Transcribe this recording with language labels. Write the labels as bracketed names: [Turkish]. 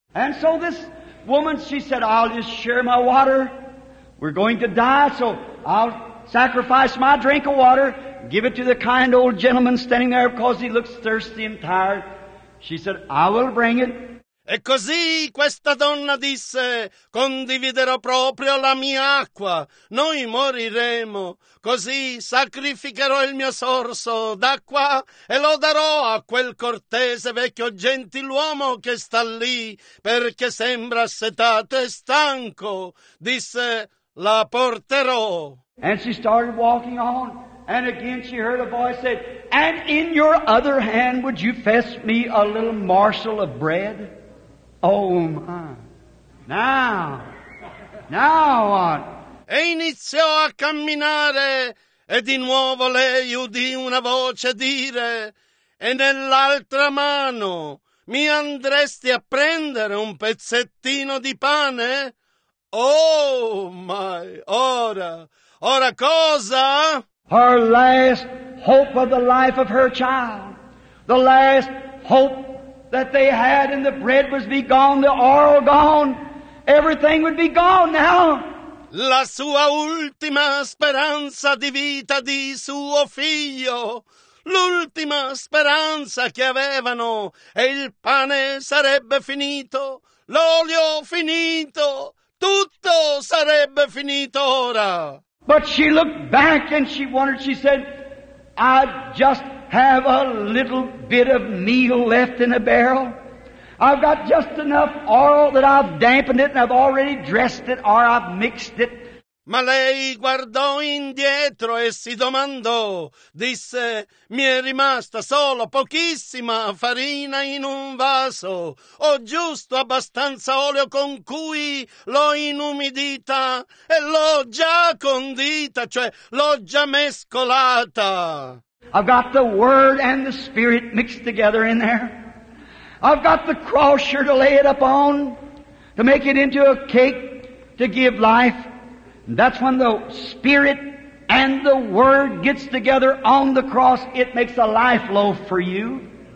[English] And so this woman, she said, I'll just share my water. We're going to die, so I'll sacrifice my drink of water, give it to the kind old gentleman standing there because he looks thirsty and tired. She said, I will bring it. [Italian] E così questa donna disse, condividerò proprio la mia acqua. Noi moriremo. Così sacrificherò il mio sorso d'acqua e lo darò a quel cortese vecchio gentiluomo che sta lì perché sembra assetato e stanco. Disse, la porterò. [English] And she started walking on, and again she heard a voice say, and in your other hand would you fetch me a little morsel of bread? Oh my. Now what? [Italian] E iniziò a camminare e di nuovo lei udì una voce dire, e nell'altra mano mi andresti a prendere un pezzettino di pane? [English] Oh my. [Italian] Ora cosa? [English] Her last hope of the life of her child. The last hope that they had, and the bread was be gone, the oil gone, everything would be gone now. [Italian] La sua ultima speranza di vita di suo figlio, l'ultima speranza che avevano, e il pane sarebbe finito, l'olio finito, tutto sarebbe finito ora. [English] But she looked back and she wondered, she said, I just have a little bit of meal left in a barrel. I've got just enough oil that I've dampened it and I've already dressed it or I've mixed it. [Italian] Ma lei guardò indietro e si domandò, disse, mi è rimasta solo pochissima farina in un vaso. Ho giusto abbastanza olio con cui l'ho inumidita e l'ho già condita, cioè l'ho già mescolata. [English] I've got the Word and the Spirit mixed together in there. I've got the cross here to lay it upon, to make it into a cake, to give life. And that's when the Spirit and the Word gets together on the cross, it makes a life loaf for you.